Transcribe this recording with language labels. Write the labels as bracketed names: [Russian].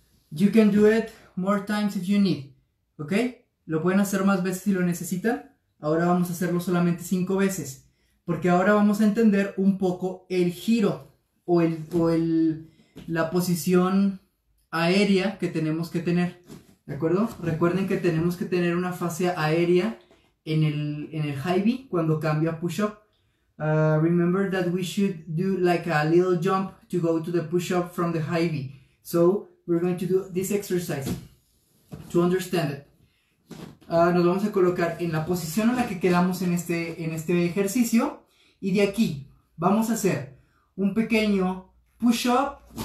[English] You can do it more times if you need. ¿Ok? [Spanish] Lo pueden hacer más veces si lo necesitan. Ahora vamos a hacerlo solamente 5 veces. Porque ahora vamos a entender un poco el giro o la posición aérea que tenemos que tener. ¿De acuerdo? Recuerden que tenemos que tener una fase aérea en el high B cuando cambio a push-up. [English] Remember that we should do like a little jump to go to the push-up from the high B. So, we're going to do this exercise to understand it. [Spanish] Nos vamos a colocar en la posición en la que quedamos en este ejercicio y de aquí vamos a hacer un pequeño push-up.